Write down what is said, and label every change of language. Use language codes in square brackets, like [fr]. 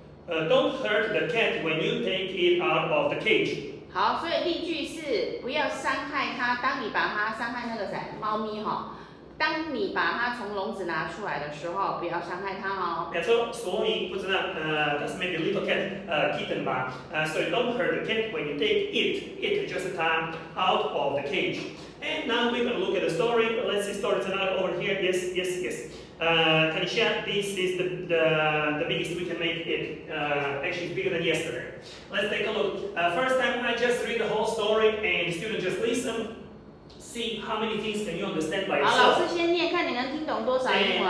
[en] Don't hurt the cat when you take it out of the cage。 [zh] 好，所以例句是不要伤害它。当你把它伤害那个谁，猫咪哈。当你把它从笼子拿出来的时候，不要伤害它哦。 [en] Yeah, so me, [zh] 不知道， [en] that's maybe little cat, kitten 吧。 So don't hurt the cat when you take it just a time out of the cage. And now we're gonna look at the story. Let's see story tonight over here. Yes. Can you share? This is the biggest we can make it. Actually, bigger than yesterday. Let's take a look. First time I just read the whole story, and student just listen. See how many things can you understand by yourself. [zh] 好，老师先念，看你能听懂多少英文。